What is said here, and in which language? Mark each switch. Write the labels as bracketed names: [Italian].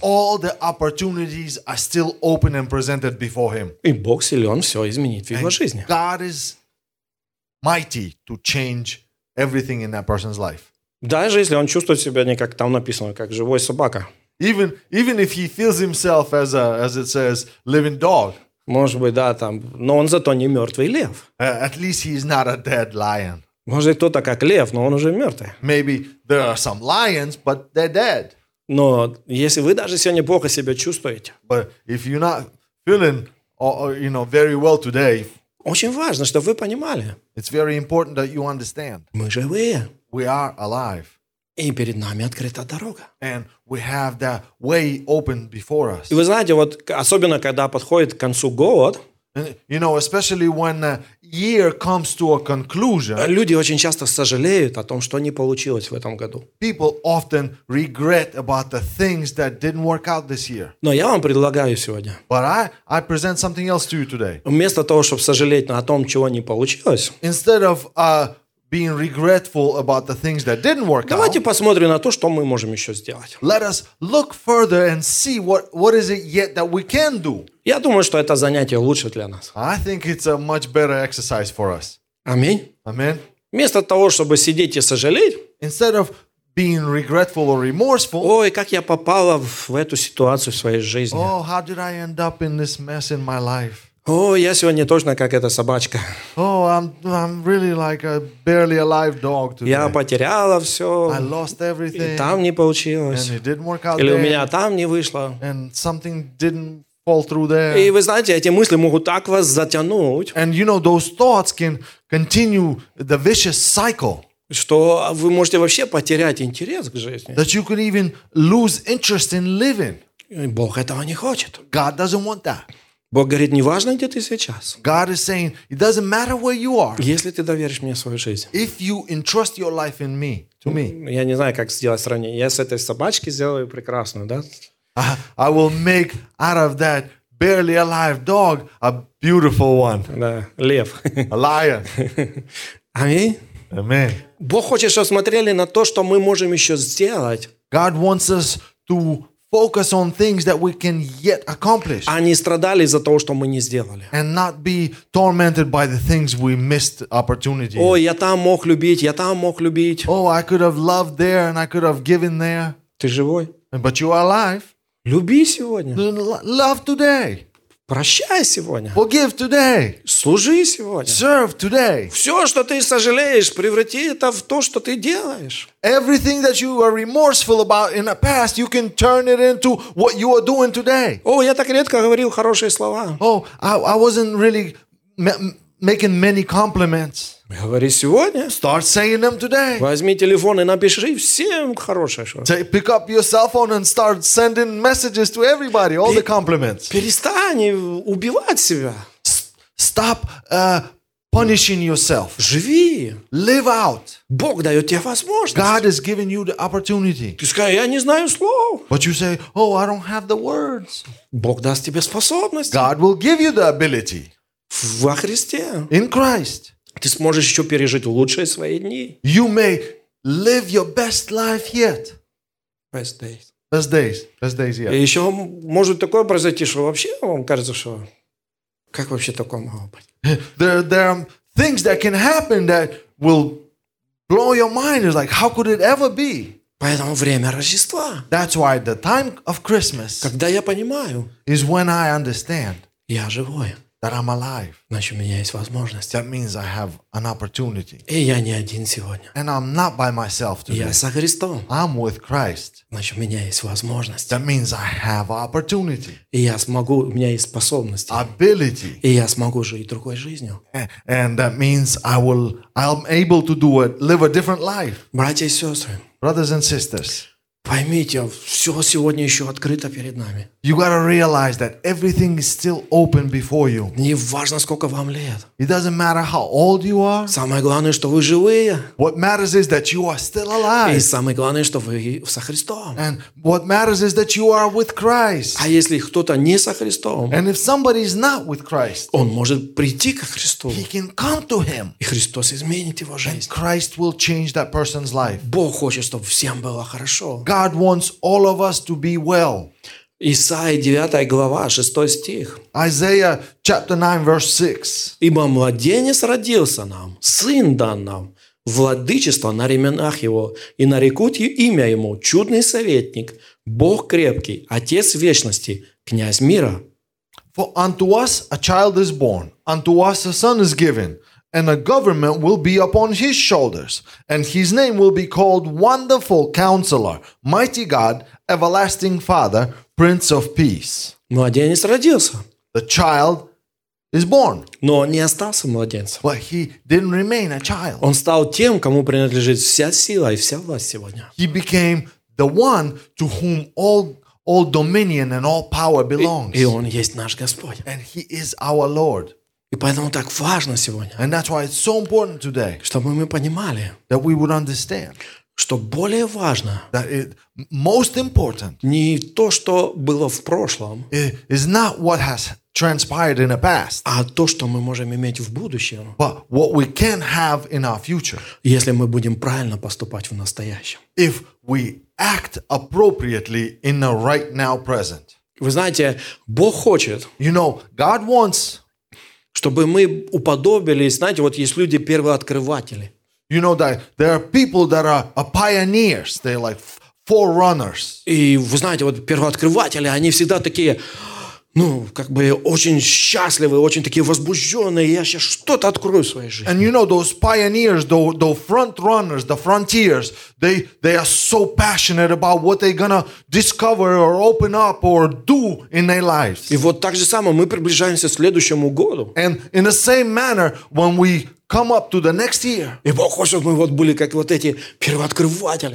[English] All the opportunities are still open and presented before him. [Russian] И Бог силен все изменить в его жизни. [English] God is mighty to change everything in that person's life. [Russian] Даже если он чувствует себя не как там написано, как живой собака. [English] Even if he feels himself as a, as it says, living dog. [Russian] Может быть, да, там, но он зато не мертвый лев. [English] At least he's not a dead lion. [Russian] Может, кто-то как лев, но он уже мертвый. [English] Maybe there are some lions, but they're dead. [Russian] Но если вы даже сегодня плохо себя чувствуете, [English] but if you're not feeling, you know, very well today, [Russian] очень важно, чтобы вы понимали. [English] It's very important that you understand. [Russian] Мы живые. [English] We are alive. [Russian] И перед нами открыта дорога. [English] And we have that way open before us. [Russian] И вы знаете, вот особенно когда подходит к концу год. [English] And, you know, especially when a year comes to a conclusion. [Russian] Люди очень часто сожалеют о том, что не получилось в этом году. [English] People often regret about the things that didn't work out this year. [Russian] Но я вам предлагаю сегодня. [English] But I present something else to you today. [Russian] Вместо того, чтобы сожалеть о том, чего не получилось. [English] Instead of being regretful about the things that didn't work out. [Russian] Давайте посмотрим на то, что мы можем еще сделать. [English] Let us look further and see what is it yet that we can do. [Russian] Я думаю, что это занятие лучше для нас. [English] I think it's a much better exercise for us. [Russian] Аминь. [English] Amen. [Russian] Вместо того, чтобы сидеть и сожалеть. [English] Instead of being regretful or remorseful. [Russian] Ой, как я попала в эту ситуацию в своей жизни. [English] Oh, how did I end up in this mess in my life? [Russian] О, я сегодня точно как эта собачка. [English] Oh, I'm really like a barely alive dog today. [Russian] Я потеряла все. [English] I lost everything. [Russian] И там не получилось. [English] And it didn't work out. [Russian] Или [English] there. [Russian] У меня там не вышло. [English] And something didn't fall through there. [Russian] И вы знаете, эти мысли могут так вас затянуть. [English] And you know those thoughts can continue the vicious cycle. [Russian] Что вы можете вообще потерять интерес к жизни. [English] That you could even lose interest in living. [Russian] И Бог этого не хочет. [English] God doesn't want that. [Russian] Бог говорит, не важно, где ты сейчас. [English] God is saying, it doesn't matter where you are. [Russian] Если ты доверишь мне свою жизнь. [English] If you entrust your life in me, to me. [Russian] Я не знаю, как сделать сравнение. Я с этой собачки сделаю прекрасную, да? [English] I will make out of that barely alive dog a beautiful one. [Russian] Да, лев. [English] A lion. [Russian] Аминь. Аминь. Бог хочет, чтобы смотрели на то, что мы можем еще сделать. [English] God wants us to focus on things that we can yet accomplish. [Russian] А не страдали за того, что мы не сделали. [English] And not be tormented by the things we missed opportunity. [Russian] О, я там мог любить, я там мог любить. [English] Oh, I could have loved there and I could have given there. [Russian] Ты живой? [English] But you are alive. [Russian] Люби сегодня. [English] Love today. [Russian] Прощай сегодня. [English] Forgive today. [Russian] Служи сегодня. [English] Serve today. [Russian] Все, что ты сожалеешь, преврати это в то, что ты делаешь. [English] Everything that you are remorseful about in the past, you can turn it into what you are doing today. [Russian] О, я так редко говорил хорошие слова. [English] Oh, I wasn't really making many compliments. [Russian] Говори сегодня. [English] Start saying them today. [Russian] Возьми телефон и напиши всем хорошее что. [English] Pick up your cell phone and start sending messages to everybody, all the compliments. [Russian] Перестань убивать себя. [English] Stop punishing yourself. [Russian] Живи. [English] Live out. [Russian] Бог дает тебе возможность. [English] God has given you the opportunity. [Russian] Ты скажешь, я не знаю слов. [English] But you say, oh, I don't have the words. [Russian] Бог даст тебе способность. [English] God will give you the ability. [Russian] Во Христе. [English] In Christ. [Russian] Ты сможешь еще пережить лучшие свои дни. [English] You may live your best life yet. Best days. Best days. Best days yet. [Russian] И еще может такое произойти, что вообще вам кажется, что как вообще такое могло быть? [English] There are things that can happen that will blow your mind. It's like, how could it ever be? [Russian] Поэтому время Рождества. [English] That's why the time of Christmas. [Russian] Когда я понимаю. [English] Is when I understand. [Russian] Я живой. [English] That I'm alive. [Russian] Значит, у меня есть возможность. [English] That means I have an opportunity. [Russian] И я не один сегодня. [English] And I'm not by myself today. [Russian] Я со Христом. [English] I'm with Christ. [Russian] Значит, у меня есть возможность. [English] That means I have opportunity. [Russian] И я смогу, у меня есть способность. [English] Ability. [Russian] И я смогу жить другой жизнью. [English] And that means I'm able to live a different life. [Russian] Братья и сестры. [English] Brothers and sisters. [Russian] Поймите, все сегодня еще открыто перед нами. [English] You gotta realize that everything is still open before you. [Russian] Не важно, сколько вам лет. [English] It doesn't matter how old you are. [Russian] Самое главное, что вы живые. [English] What matters is that you are still alive. [Russian] И самое главное, что вы со Христом. [English] And what matters is that you are with Christ. [Russian] А если кто-то не со Христом? [English] And if somebody is not with Christ. [Russian] Он может прийти ко Христу. [English] He can come to him. [Russian] И Христос изменит его жизнь. [English] And Christ will change that person's life. [Russian] Бог хочет, чтобы всем было хорошо. [English] God wants all of us to be well. [Russian] Исаия 9 глава, 6 стих. [English] Isaiah chapter 9 verse 6. [Russian] Ибо младенец родился нам, сын дан нам, владычество на ременах его, и нарекут имя ему чудный советник, Бог крепкий, отец вечности, князь мира. [English] For unto us a child is born, unto us a son is given, and a government will be upon his shoulders, and his name will be called Wonderful Counselor, Mighty God, Everlasting Father, Prince of Peace. [Russian] Младенец родился. [English] The child is born. [Russian] Но он не остался младенцем. [English] But he didn't remain a child. [Russian] Он стал тем, кому принадлежит вся сила и вся власть сегодня. [English] He became the one to whom all dominion and all power belongs. [Russian] И он есть наш Господь. [English] And he is our Lord. [Russian] И поэтому так важно сегодня. [English] And that's why it's so important today. [Russian] Чтобы мы понимали. [English] That we would understand. [Russian] Что более важно. [English] That it, most important. [Russian] Не то, что было в прошлом. [English] Is not what has transpired in the past. [Russian] А то, что мы можем иметь в будущем. [English] But what we can have in our future. [Russian] Если мы будем правильно поступать в настоящем. [English] If we act appropriately in the right now present. [Russian] Вы знаете, Бог хочет. [English] You know, God wants. [Russian] Чтобы мы уподобились, знаете, вот есть люди первооткрыватели. [English] You know that there are people that are pioneers. They're like forerunners. [Russian] И вы знаете, вот первооткрыватели, они всегда такие, ну, как бы очень счастливые, очень такие возбужденные. Я сейчас что-то открою в своей жизни. [English] And you know those pioneers, the front runners, the frontiers, they are so passionate about what they're gonna discover or open up or do in their lives. [Russian] И вот так же самое мы приближаемся к следующему году. [English] And in the same manner, when we come up to the next year. [Russian] И Бог хочет, чтобы мы вот были как вот эти первооткрыватели.